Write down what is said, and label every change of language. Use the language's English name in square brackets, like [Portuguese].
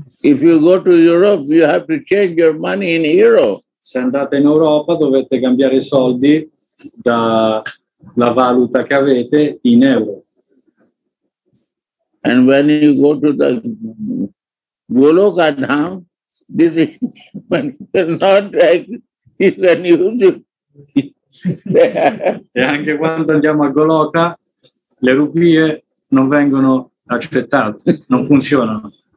[English] If you go to Europe, you have to change your money in euro. [Italian] Se andate in Europa, dovete cambiare i soldi dalla valuta che avete in euro. [English] And when you go to the Goloka Dham, this is not like when you do. [Italian] E anche quando andiamo a Goloka, le rupie non vengono accettate, non funzionano.